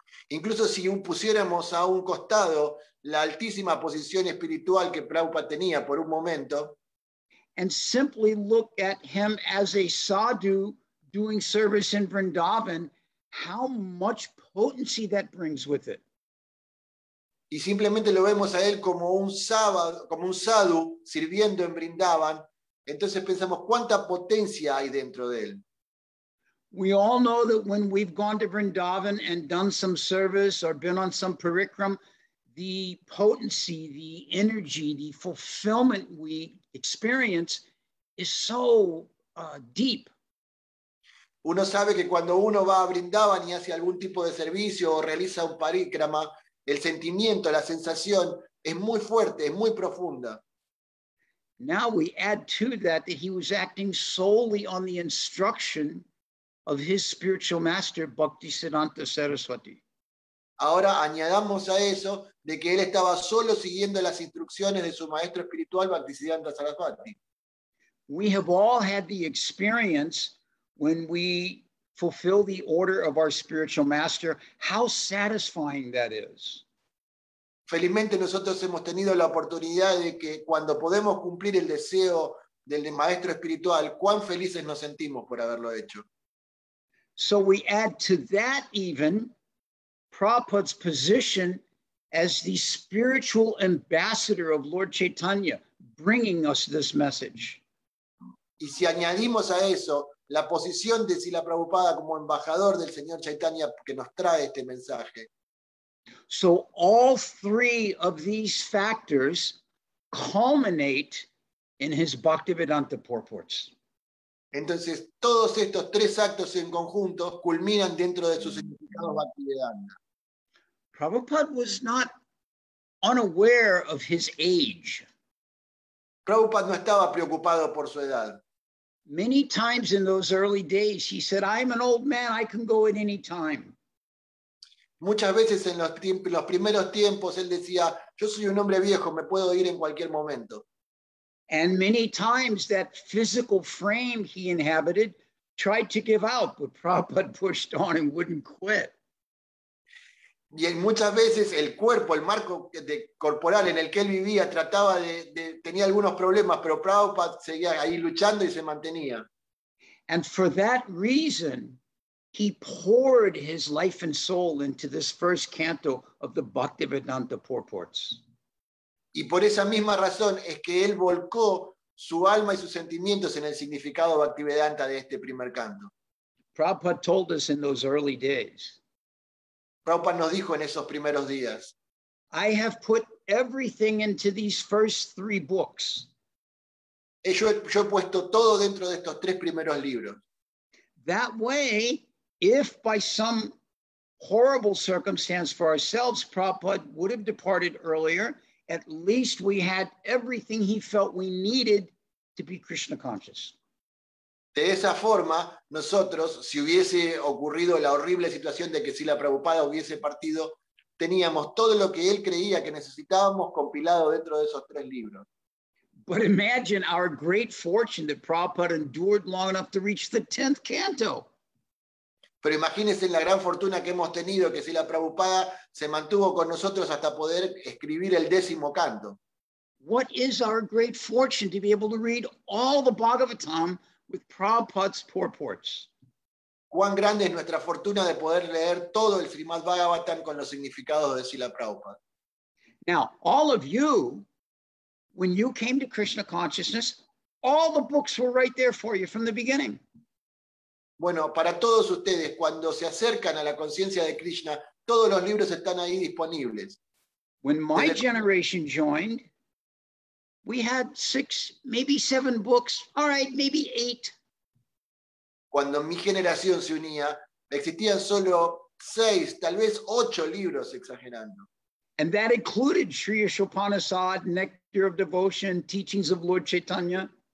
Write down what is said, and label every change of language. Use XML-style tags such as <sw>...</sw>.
<es>incluso si pusiéramos a un costado la altísima posición espiritual que Prabhupada tenía por un momento,</es> <en>and simply look at him as a sadhu doing service in Vrindavan, how much potency that brings with it.</en> <es>Y simplemente lo vemos a él como un sábado, como un sadhu sirviendo en Vrindavan, entonces pensamos cuánta potencia hay dentro de él.</es> <en>We all know that when we've gone to Vrindavan and done some service or been on some parikram, the potency, the energy, the fulfillment we experience is so deep.</en> <es>Uno sabe que cuando uno va a Vrindavan y hace algún tipo de servicio o realiza un parikrama, el sentimiento, la sensación es muy fuerte, es muy profunda.</es> <en>Now we add to that that he was acting solely on the instruction of his spiritual master, Bhaktisiddhanta Saraswati.</en> <es>Ahora añadamos a eso de que él estaba solo siguiendo las instrucciones de su maestro espiritual, Bhaktisiddhanta Saraswati.</es> <en>We have all had the experience when we fulfill the order of our spiritual master, how satisfying that is.</en> <es>Felizmente nosotros hemos tenido la oportunidad de que cuando podemos cumplir el deseo del maestro espiritual, cuán felices nos sentimos por haberlo hecho.</es> <en>So we add to that even Prabhupada's position as the spiritual ambassador of Lord Chaitanya, bringing us this message.</en> <es>Y si añadimos a eso la posición de Srila Prabhupada como embajador del señor Chaitanya que nos trae este mensaje.</es> <en>So all three of these factors culminate in his Bhaktivedanta purports.</en> <es>Entonces, todos estos tres actos en conjunto culminan dentro de sus significados Bhaktivedanta.</es> <en>Prabhupada was not unaware of his age.</en> <es>Prabhupada no estaba preocupado por su edad.</es> <en>Many times in those early days, he said, I'm an old man, I can go at any time.</en> <es>Muchas veces en los primeros tiempos, él decía, yo soy un hombre viejo, me puedo ir en cualquier momento.</es> <en>And many times that physical frame he inhabited tried to give out, but Prabhupada pushed on and wouldn't quit.</en> <es>Y muchas veces el cuerpo, el marco de corporal en el que él vivía, trataba de tenía algunos problemas, pero Prabhupada seguía ahí luchando y se mantenía.</es> <en>And for that reason, he poured his life and soul into this first canto of the Bhaktivedanta purports.</en> <es>Y por esa misma razón es que él volcó su alma y sus sentimientos en el significado Bhaktivedanta de este primer canto.</es> <en>Prabhupada told us in those early days.</en> <es>Prabhupada nos dijo en esos primeros días.</es> <en>I have put everything into these first three books.</en> <es>Yo he puesto todo dentro de estos tres primeros libros.</es> <en>That way, if by some horrible circumstance for ourselves, Prabhupada would have departed earlier, at least we had everything he felt we needed to be Krishna conscious.</en> <es>De esa forma, nosotros, si hubiese ocurrido la horrible situación de que si la Prabhupada hubiese partido, teníamos todo lo que él creía que necesitábamos compilado dentro de esos tres libros.</es> <en>But imagine our great fortune that Prabhupada endured long enough to reach the 10th canto.</en> <es>Pero imagínense la gran fortuna que hemos tenido que Srila Prabhupada se mantuvo con nosotros hasta poder escribir el décimo canto.</es> <en>What is our great fortune to be able to read all the Bhagavatam with Prabhupada's purports?</en> <es>¿Cuán grande es nuestra fortuna de poder leer todo el Srimad Bhagavatam con los significados de Srila Prabhupada?</es> <en>Now, all of you, when you came to Krishna consciousness, all the books were right there for you from the beginning.</en> <es>Bueno, para todos ustedes, cuando se acercan a la conciencia de Krishna, todos los libros están ahí disponibles.</es> <en>When my generation joined, we had 6, maybe 7 books. All right, maybe 8.</en> <es>Cuando mi generación se unía, existían solo 6, tal vez 8 libros, exagerando.</es> <en>And that included Sri Ashwapanasad, Nectar of Devotion, Teachings of Lord Chaitanya.</en>